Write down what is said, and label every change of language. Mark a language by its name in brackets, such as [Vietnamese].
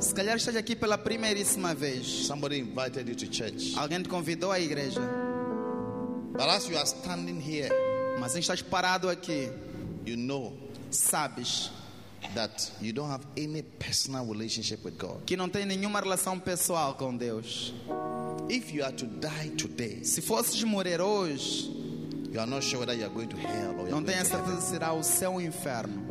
[Portuguese] Se calhar estás aqui pela primeiríssima vez. [English] Somebody invited you to church. [Portuguese] Alguém te convidou à igreja. [English] But as you are standing here, [Portuguese] mas estás parado aqui. [English] You know, [Portuguese] sabes, [English] that you don't have any personal relationship with God. [Portuguese] Que não tem nenhuma relação pessoal com Deus. [English] If you are to die today, [Portuguese] se fosses morrer hoje, [English] you are not sure whether you are going to hell or you [Portuguese] não tenho certeza se será o céu ou o inferno.